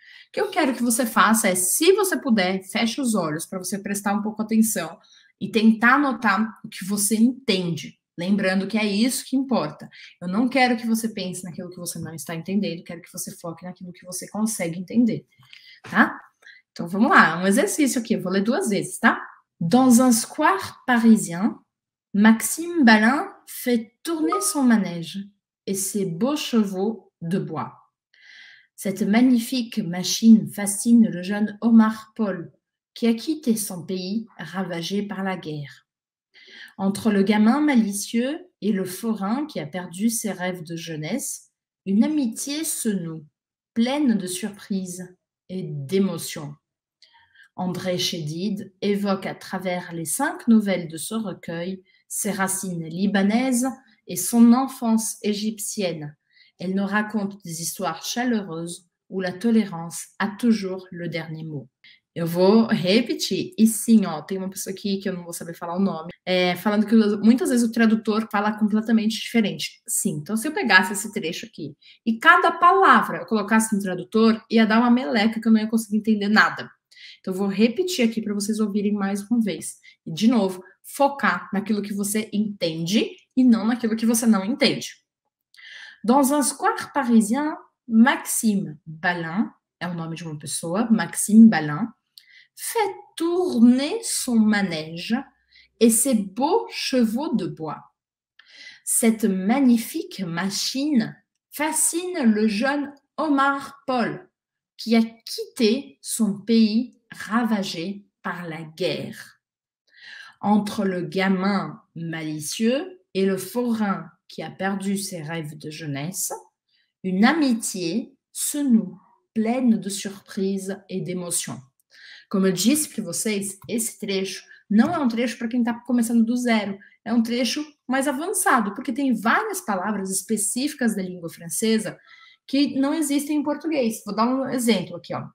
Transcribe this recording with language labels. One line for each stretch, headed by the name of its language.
Portuguese: O que eu quero que você faça é, se você puder, feche os olhos para você prestar um pouco atenção. E tentar anotar o que você entende. Lembrando que é isso que importa. Eu não quero que você pense naquilo que você não está entendendo, quero que você foque naquilo que você consegue entender, tá? Então vamos lá, um exercício aqui, eu vou ler duas vezes, tá?
French: Dans un square parisien, Maxime Balin fait tourner son manège et ses beaux chevaux de bois. Cette magnifique machine fascine le jeune Omar Paul, qui a quitté son pays ravagé par la guerre. Entre le gamin malicieux et le forain qui a perdu ses rêves de jeunesse, une amitié se noue, pleine de surprises et d'émotions. André Chédid évoque à travers les cinq nouvelles de ce recueil ses racines libanaises et son enfance égyptienne. Elle nous raconte des histoires chaleureuses où la tolérance a toujours le dernier mot.
Portuguese: Eu vou repetir. E sim, ó, tem uma pessoa aqui que eu não vou saber falar o nome. É, falando que muitas vezes o tradutor fala completamente diferente. Sim, então se eu pegasse esse trecho aqui e cada palavra eu colocasse no tradutor, ia dar uma meleca que eu não ia conseguir entender nada. Então eu vou repetir aqui para vocês ouvirem mais uma vez. E de novo, focar naquilo que você entende e não naquilo que você não entende.
French: Dans un square parisien, Maxime Balin,
Portuguese: é o nome de uma pessoa,
French: Maxime Balin, fait tourner son manège et ses beaux chevaux de bois. Cette magnifique machine fascine le jeune Omar Paul, qui a quitté son pays ravagé par la guerre. Entre le gamin malicieux et le forain qui a perdu ses rêves de jeunesse, une amitié se noue, pleine de surprises et d'émotions.
Portuguese: Como eu disse para vocês, esse trecho não é um trecho para quem está começando do zero. É um trecho mais avançado, porque tem várias palavras específicas da língua francesa que não existem em português. Vou dar um exemplo aqui, ó.